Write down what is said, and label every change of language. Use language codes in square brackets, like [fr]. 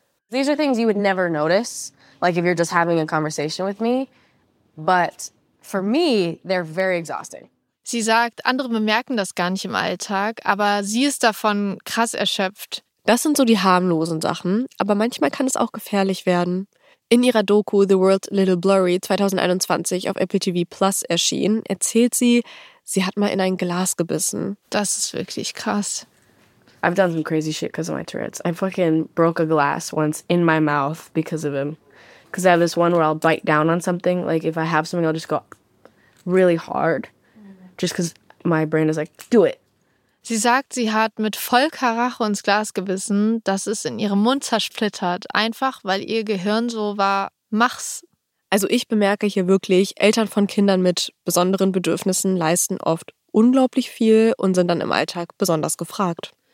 [en] These are things you would never notice, like if you're just having a conversation with me. But for me, they're very exhausting. [de] Sie sagt, andere bemerken das gar nicht im Alltag, aber sie ist davon krass erschöpft. Das sind so die harmlosen Sachen, aber manchmal kann es auch gefährlich werden. In ihrer Doku The World Little Blurry 2021 auf Apple TV Plus erschien, erzählt sie, sie hat mal in ein Glas gebissen. Das ist wirklich krass. [en] I've done some crazy shit because of my Tourette's. I fucking broke a glass once in my mouth because of him. Because I have this one where I'll bite down on something. Like if I have something, I'll just go really hard. Just because my brain is like, do it. [de] Sie sagt, sie hat mit Vollkaracho ins Glas gebissen, dass es in ihrem Mund zersplittert. Einfach, weil ihr Gehirn so war, mach's. Also ich bemerke hier wirklich, Eltern von Kindern mit besonderen Bedürfnissen leisten oft unglaublich viel und sind dann im Alltag besonders gefragt.